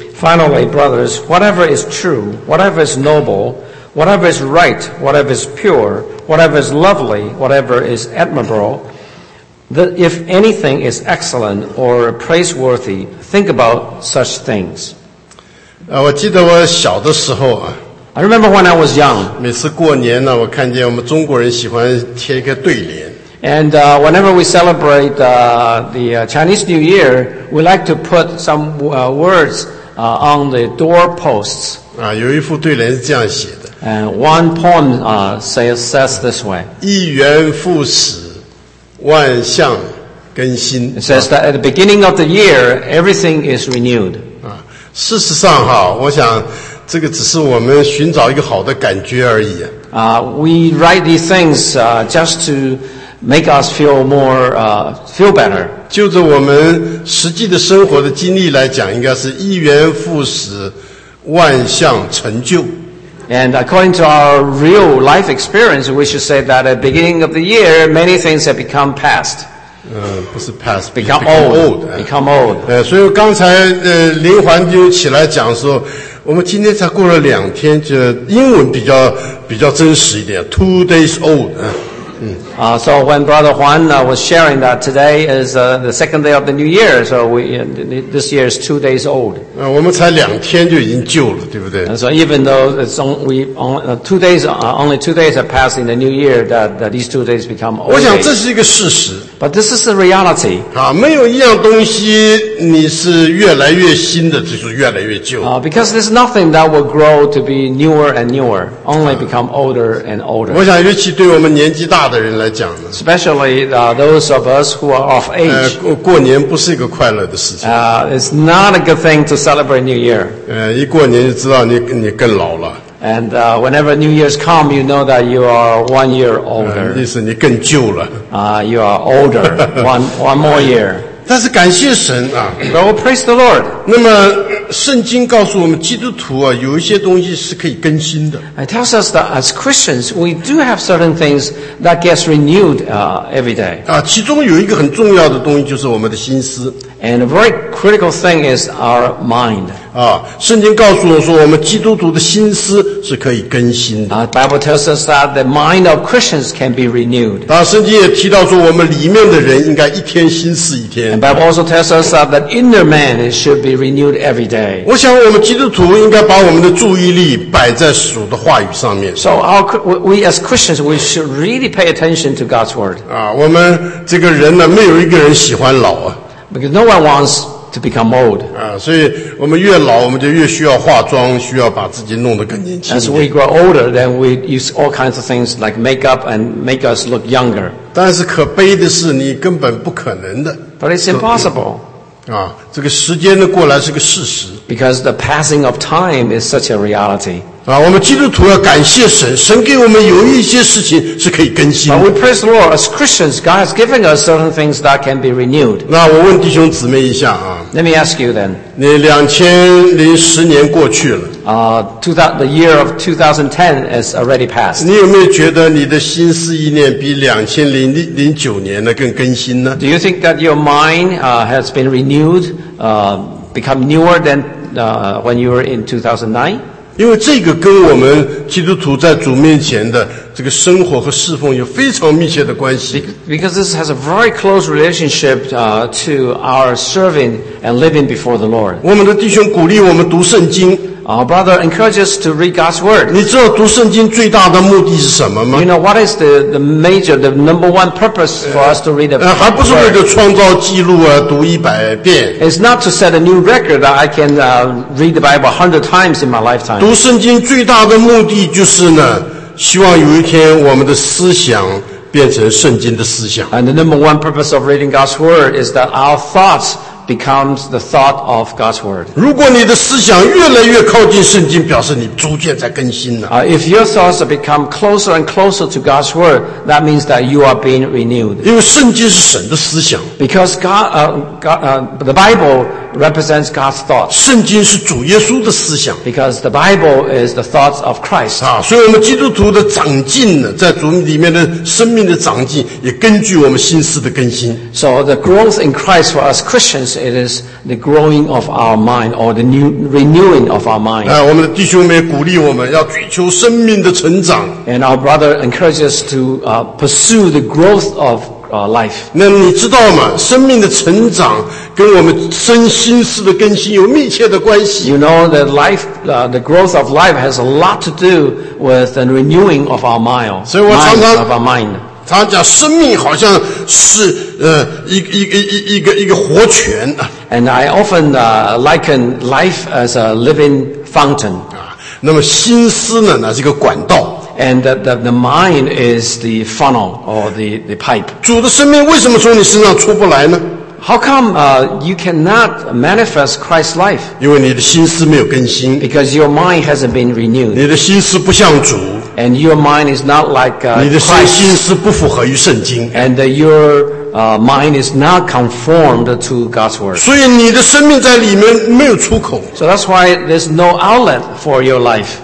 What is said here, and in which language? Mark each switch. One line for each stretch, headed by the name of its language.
English: Finally, brothers, whatever is true, whatever is noble, whatever is right, whatever is pure, whatever is lovely, whatever is admirable, if anything is excellent or praiseworthy, think about such things.
Chinese: 我记得我小的时候啊。
English: I remember when I was young.
Chinese: 每次过年呢，我看见我们中国人喜欢贴一个对联。
English: And whenever we celebrate Chinese New Year, we like to put some words on the doorposts.
Chinese: 啊，有一副对联是这样写的。
English: And one poem says this way.
Chinese: 一元复始，万象更新。
English: It says that at the beginning of the year, everything is renewed.
Chinese: 啊，事实上哈，我想这个只是我们寻找一个好的感觉而已。
English: We write these things just to make us feel more, feel better.
Chinese: 就着我们实际的生活的经历来讲，应该是一元复始，万象成就。
English: And according to our real life experience, we should say that at the beginning of the year, many things have become past.
Chinese: 不是 past,
English: become old.
Chinese: So 刚才林环就起来讲说，我们今天才过了两天，就英文比较真实一点 ，
English: two days old。 So when Brother Huan was sharing that today is the second day of the new year, so this year is 2 days old.
Chinese: 我们才两天就已经旧了，对不对
English: ？And so even though it's only only 2 days have passed in the new year, that these 2 days become old.
Chinese: 我想这是一个事实。
English: But this is the reality.
Chinese: 好，没有一样东西你是越来越新的，就是越来越旧。
English: Because there's nothing that will grow to be newer and newer, only become older and older.
Chinese: 我想尤其对我们年纪大的人来讲呢。
English: Especially those of us who are of age.
Chinese: 过年不是一个快乐的事情。
English: It's not a good thing to celebrate New Year.
Chinese: 一过年就知道你更老了。
English: And whenever New Year's come, you know that you are 1 year older.
Chinese: 意思你更旧了。
English: You are older, one more year.
Chinese: 但是感谢神啊。
English: But we'll praise the Lord.
Chinese: 那么圣经告诉我们基督徒啊，有一些东西是可以更新的。
English: It tells us that as Christians, we do have certain things that gets renewed every day.
Chinese: 其中有一个很重要的东西就是我们的心思。
English: And a very critical thing is our mind.
Chinese: 圣经告诉我们说我们基督徒的心思是可以更新的。
English: Bible tells us that the mind of Christians can be renewed.
Chinese: 圣经也提到说我们里面的人应该一天心思一天。
English: And Bible also tells us that the inner man should be renewed every day.
Chinese: 我想我们基督徒应该把我们的注意力摆在主的话语上面。
English: So we as Christians, we should really pay attention to God's word.
Chinese: 我们这个人呢，没有一个人喜欢老啊。
English: Because no one wants to become old.
Chinese: 所以我们越老，我们就越需要化妆，需要把自己弄得更年轻。
English: As we grow older, then we use all kinds of things like makeup and make us look younger.
Chinese: 但是可悲的是，你根本不可能的。
English: But it's impossible.
Chinese: 这个时间的过来是个事实。
English: Because the passing of time is such a reality.
Chinese: 我们基督徒要感谢神，神给我们有一些事情是可以更新的。
English: But we praise the Lord as Christians, God has given us certain things that can be renewed.
Chinese: 那我问弟兄姊妹一下啊。
English: Let me ask you then.
Chinese: 你2010年过去
English: 了。The year of 2010 is already passed.
Chinese: 你有没有觉得你的心思意念比2009年的更更新呢
English: ？Do you think that your mind has been renewed, become newer than when you were in 2009?
Chinese: 因为这个跟我们基督徒在主面前的这个生活和侍奉有非常密切的关系。
English: Because this has a very close relationship to our serving and living before the Lord.
Chinese: 我们的弟兄鼓励我们读圣经。
English: Our brother encourages to read God's word.
Chinese: 你知道读圣经最大的目的是什么吗
English: ？You know what is the number one purpose for us to read the Bible?
Chinese: 还不是为了创造记录啊，读一百遍。
English: It's not to set a new record that I can read the Bible 100 times in my lifetime.
Chinese: 读圣经最大的目的就是呢，希望有一天我们的思想变成圣经的思想。
English: And the number one purpose of reading God's word is that our thoughts. Becomes the thought of God's word.
Chinese: 如果你的思想越来越靠近圣经，表示你逐渐在更新了。
English: If your thoughts become closer and closer to God's word, that means that you are being renewed.
Chinese: 因为圣经是神的思想。
English: Because the Bible represents God's thoughts.
Chinese: 圣经是主耶稣的思想。
English: Because the Bible is the thoughts of Christ.
Chinese: 啊，所以我们基督徒的长进呢，在主里面的生命的长进，也根据我们心思的更新。
English: So the growth in Christ for us Christians, it is the growing of our mind or the new renewing of our mind.
Chinese: 啊，我们的弟兄们鼓励我们要追求生命的成长。
English: And our brother encourages us to pursue the growth of. Life.
Chinese: 那你知道吗？生命的成长跟我们身心思的更新有密切的关系。
English: You know that life, the growth of life has a lot to do with the renewing of our mind.
Chinese: 所以我常常
English: of our mind.
Chinese: 他讲生命好像是一个活泉。
English: And I often liken life as a living fountain.
Chinese: 那么心思呢？那是一个管道。
English: And the mind is the funnel or the pipe.
Chinese: 主的生命为什么从你身上出不来呢？
English: How come you cannot manifest Christ's life?
Chinese: 因为你的心思没有更新。
English: Because your mind hasn't been renewed.
Chinese: 你的心思不像主。
English: And your mind is not like Christ.
Chinese: 你的心思不符合于圣经。
English: And your mind is not conformed to God's word.
Chinese: 所以你的生命在里面没有出口。
English: So that's why there's no outlet for your life.